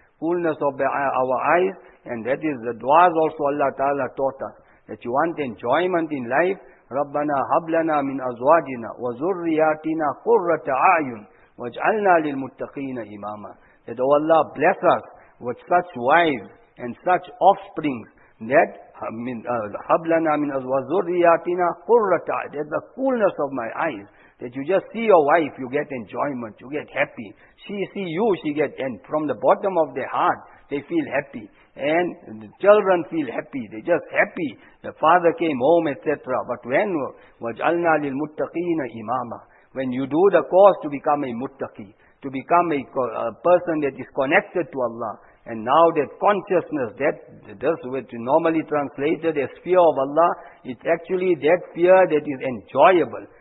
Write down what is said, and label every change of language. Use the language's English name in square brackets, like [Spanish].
[English] Coolness of our eyes. And that is the du'as also Allah Ta'ala taught us. That you want enjoyment in life. [Arabic] رَبَّنَا هَبْلَنَا مِنْ أَزْوَاجِنَا وَزُرِّيَاتِنَا قُرَّةَ عَيُنْ وَاجْعَلْنَا لِلْمُتَّقِينَ إِمَامًا. [English] That oh Allah bless us with such wives and such offsprings. [Arabic] That هَبْلَنَا مِنْ أَزْوَاجِنَا قُرَّةَ عَيُنْ. [English] That the coolness of my eyes. That you just see your wife, you get enjoyment, you get happy. She see you, she get, and from the bottom of their heart, they feel happy. And the children feel happy. They're just happy. The father came home, etc. But when [Arabic] وَجْعَلْنَا لِلْمُتَّقِينَ [English] imama, when you do the course to become a muttaqi, to become a person that is connected to Allah, and now that consciousness, that does what is normally translated as fear of Allah, it's actually that fear that is enjoyable.